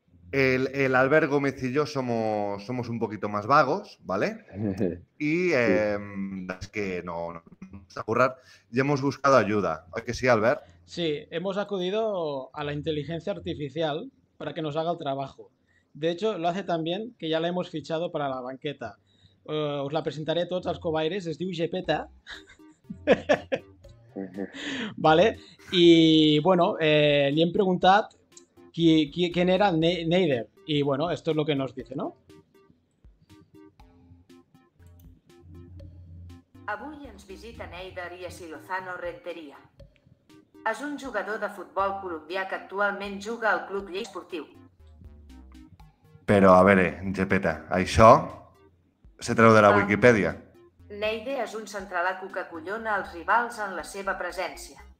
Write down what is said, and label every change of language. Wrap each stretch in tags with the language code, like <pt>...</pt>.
<es>El Albert Gómez y yo somos un poquito más vagos, ¿vale? Y sí. Es que no vamos a currar. Y hemos buscado ayuda. ¿Es que sí, Albert? Sí, hemos acudido a la inteligencia artificial para que nos haga el trabajo. De hecho, lo hace tan bien que ya la hemos fichado para la banqueta. Os la presentaré</es> <ca>a tots els cobaires, es diu Gepeta. Vale? I, bueno, li hem preguntat</ca> <es>quién era</es> <ca>Neider.</ca> <es>Y bueno, esto es lo que nos dice, ¿no?</es> <ca>Avui ens visita Neider Jesse Lozano Rentería. És un jugador de futbol colombià que actualment juga al Club Lleida Esportiu. Però, a veure, Gepeta, això se treu de la Wikipedia. Neider és un centralaco que acollona els rivals en la seva presència.</ca>